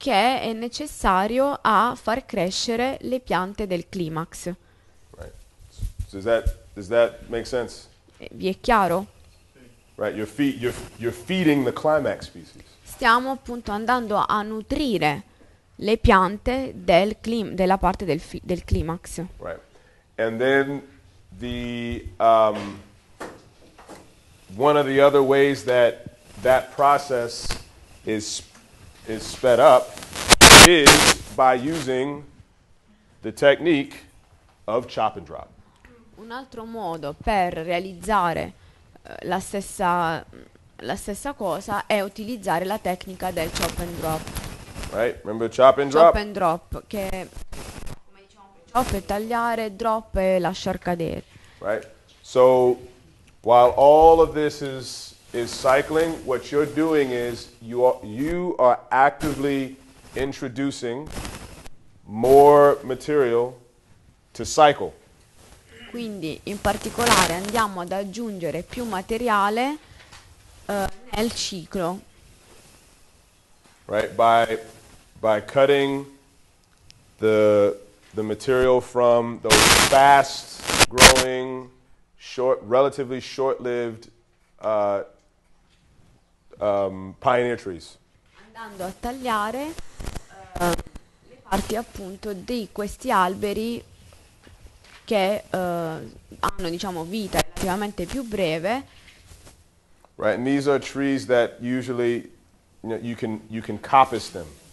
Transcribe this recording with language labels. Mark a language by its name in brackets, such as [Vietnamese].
[Italian] Che è necessario a far crescere le piante del climax. [English] Right. So does that make sense? [Italian] Vi è chiaro? [English] Right, you're feeding the climax species. [Italian] Stiamo appunto andando a nutrire le piante del della parte del climax. [English] Right. And then the one of the other ways that process is sped up is by using the technique of chop and drop. [Italian] Un altro modo per realizzare la stessa cosa è utilizzare la tecnica del chop and drop. [English] Right, remember chop and drop? [Italian] Chop and drop, che come diciamo, chop è tagliare, drop è lasciar cadere. [English] Right, so while all of this is cycling, what you're doing is you are actively introducing more material to cycle. [Italian] Quindi in particolare andiamo ad aggiungere più materiale nel ciclo. [English] Right, by cutting the material from those fast growing relatively short-lived pioneer trees. [Italian] Andando a tagliare le parti appunto di questi alberi che hanno diciamo vita relativamente più breve. [English] Right, and these are trees that usually you can coppice them.